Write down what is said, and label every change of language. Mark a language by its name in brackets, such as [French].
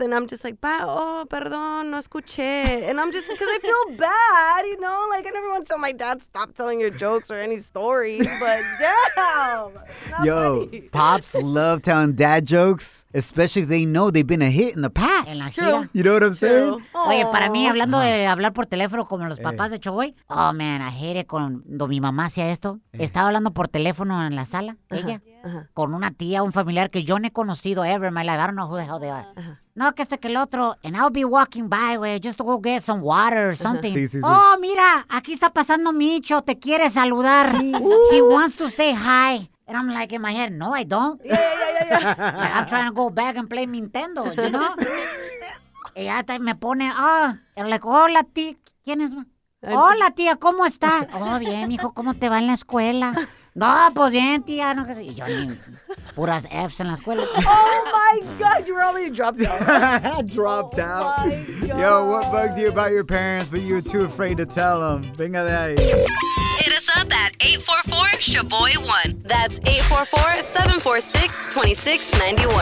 [English] And I'm just like, pa, oh, [Spanish] perdón, no escuché. [English] And I'm just, because I feel bad, you know? Like, I never want to tell my dad, stop telling your jokes or any stories, but damn. Yo, funny. Pops love telling dad jokes, especially if they know they've been a hit in the past. [Spanish] En la gira. [English] You know what I'm saying? [Spanish] Oye, para mí, hablando de hablar por teléfono como los papás de Choboy, [English] oh, man, I hate it [Spanish] cuando mi mamá hacía esto. Estaba hablando por teléfono en la sala, ella, con una tía, un familiar que yo no he conocido [English] ever in my life. I don't know who the hell they are. [Spanish] No, que este que el otro. [English] And I'll be walking by, güey, just to go get some water or something. [Spanish] Sí, sí, sí. Oh, mira, aquí está pasando Micho, te quiere saludar. [English] He wants to say hi. And I'm like, in my head, no, I don't. Yeah. Like, I'm trying to go back and play Nintendo, you know? [Spanish] Y ya me pone, [English] oh, and I'm like, [Spanish] hola, tía, ¿quién es? Hola, tía, ¿cómo está? Oh, bien, mijo, ¿cómo te va en la escuela? No, pues bien, tía, no, y yo ni puras Fs en la escuela. [English] Oh, my God, you were already dropped out. Dropped out. My God. Yo, what bugged you about your parents, but you were too afraid to tell them? [Spanish] Venga de ahí. [English] Hit us up at 844-SHABOY1. That's 844-746-2691.